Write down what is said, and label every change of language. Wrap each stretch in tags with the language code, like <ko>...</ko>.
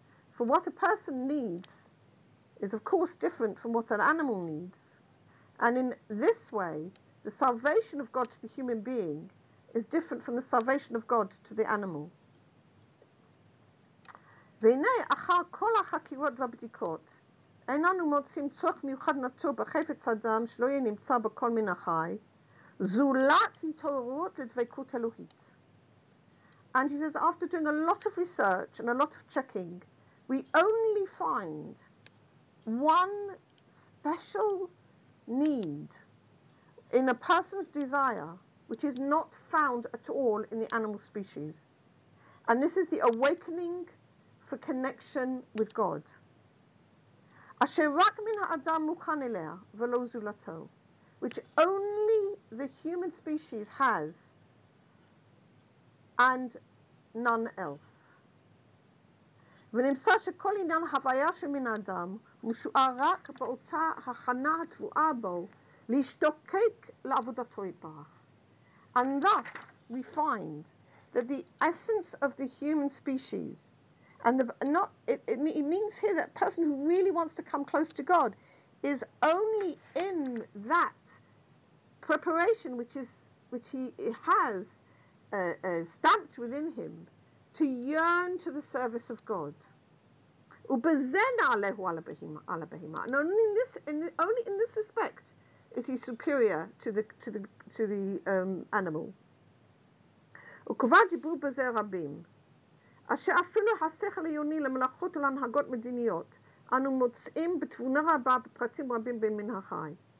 <en>For what a person needs is of course different from what an animal needs. And in this way, the salvation of God to the human being is different from the salvation of God to the animal.</en> <he>והנה, אחר כל החקירות והבדיקות, איננו מוצאים צורך מיוחד נטור בחפץ אדם שלא יהיה נמצא בכל מן החי, זולת התעוררות לדבקות אלוהית.</he> <en>And he says, after doing a lot of research and a lot of checking, we only find one special need in a person's desire, which is not found at all in the animal species. And this is the awakening for connection with God.</en> <he>אשר רק מן האדם מוכן אליה ולא זולתו,</he> <en>which only the human species has and none else.</en> <he>ונמצא שכל עניין הוויה שמן האדם משוער רק באותה הכנה התבועה בו להשתוקק לעבודתו יתברך.</he> <en>And thus we find that the essence of the human species, and it means here that person who really wants to come close to God is only in that preparation which he has stamped within him to yearn to the service of God.</en> <he>Ubezena alehu ala behima,</he> <en>and only in this respect is he superior to the animal.</en> <he>וכבר דיברו בזה רבים, אשר אפילו השכל היוני למלאכות ולהנהגות מדיניות, אנו מוצאים בתבונה רבה בפרטים רבים במין החי.</he>